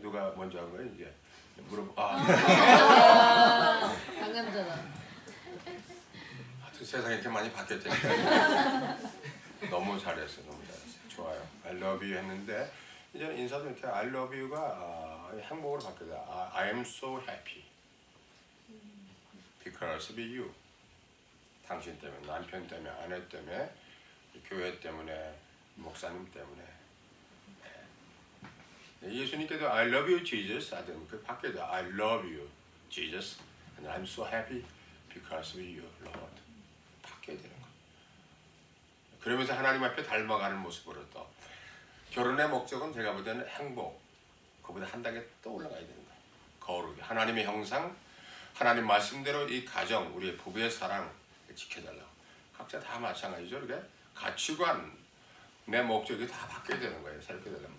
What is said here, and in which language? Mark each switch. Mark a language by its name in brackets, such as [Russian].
[Korean] 누가 먼저 한 거예요? 이제 물어봐. 아. 방금잖아. 하여튼 세상이 이렇게 많이 바뀌었대. 너무 잘했어. 너무 잘했어. 좋아요. [English] I love you [Korean] 했는데 이제 인사도 이렇게 I love you가 행복으로 바뀌다. [English] I am so happy because of you. [Korean] 당신 때문에, 남편 때문에, 아내 때문에, 교회 때문에, 목사님 때문에. 네. 예수님께도 [English] I love you Jesus [Korean] 하던 그 밖에도 [English] I love you Jesus and I'm so happy because of you Lord [Korean] 바뀌게 되는 거. 그러면서 하나님 앞에 닮아가는 모습으로 또 결혼의 목적은 제가 볼 때는 행복. 그보다 한 단계 또 올라가야 되는 거예요. 거룩이 하나님의 형상, 하나님 말씀대로 이 가정, 우리의 부부의 사랑 지켜달라고. 각자 다 마찬가지죠. 이게 가치관, 내 목적이 다 바뀌어야 되는 거예요. 살게 되려면.